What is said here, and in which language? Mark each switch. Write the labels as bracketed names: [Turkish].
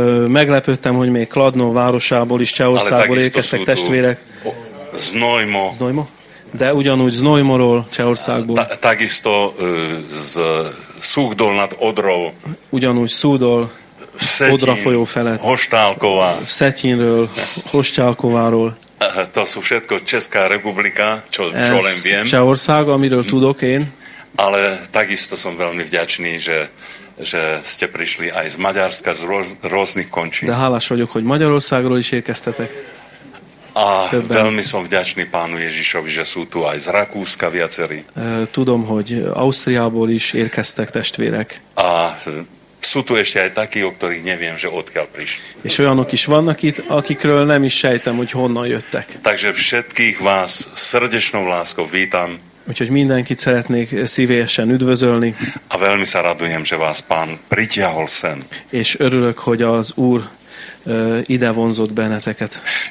[Hungarian] Meglepődtem, hogy még Kladno városából is, Csehországból érkeztek testvérek. [Slovak] Znojmo. [Hungarian] De ugyanúgy Znojmoról, Csehországból. [Slovak] Takisto z Súgdol nad Odrou. [Hungarian] Ugyanúgy Súdol, Szetín, Odra folyó felett. [Slovak] Hoštálková. [Hungarian] Szetínről, Hoštálkováról. [Slovak] To sú všetko Česká republika, čo len viem. [Hungarian] Csehország, amiről tudok én. [Slovak] Ale takisto som veľmi vďačný, že ste prišli aj z Maďarska, z rôznych končín. [Hungarian] De hálás vagyok, hogy Magyarországról is érkeztetek. A többen. [Slovak] Veľmi som vďačný pánu Ježišovi, že sú tu aj z Rakúska viacerí. [Hungarian] Tudom, hogy Ausztriából is érkeztek testvérek. [Slovak] A sú tu ešte aj takí, o ktorých neviem, že odkiaľ prišli. [Hungarian] És olyanok is vannak itt, akikről nem is sejtem, hogy honnan jöttek. [Slovak] Takže všetkých vás srdečnou láskou vítam. [Hungarian] Úgyhogy mindenkit szeretnék szívélyesen üdvözölni. [Slovak] A veľmi sa radujem, že vás pán pritiahol sem. [Hungarian] És örülök, hogy az Úr ide vonzott benneteket.